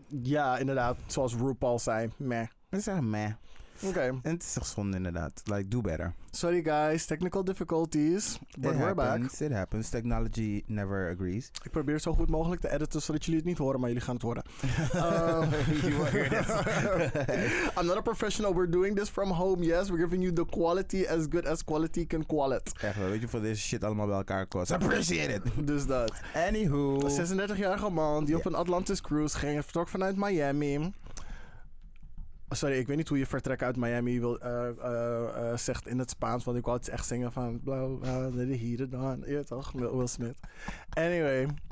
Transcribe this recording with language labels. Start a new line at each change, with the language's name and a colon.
Dutch: Ja, inderdaad. Zoals RuPaul zei, meh. Mensen zeggen meh. Okay. En het is toch zonde inderdaad.
English: Like, do better. Sorry guys, technical difficulties. But we're back. It happens, technology never agrees.
Dutch: Ik probeer zo goed mogelijk te editen zodat jullie het niet horen, maar jullie gaan het horen.
English: you will hear this. I'm not a professional, we're doing this from home, yes. We're giving you the quality as good as quality can call it.
Dutch: Echt, wat weet je voor deze shit allemaal bij elkaar kost.
English: Appreciate it.
Dutch: Dus dat.
English: Anywho.
Dutch: 36-jarige man die op een Atlantis cruise ging, vertrok vanuit Miami. Sorry, ik weet niet hoe je vertrek uit Miami wil, zegt in het Spaans. Want ik wou het echt zingen van... Bla bla bla, de hier dan. Ja, toch? Will Smith. Anyway.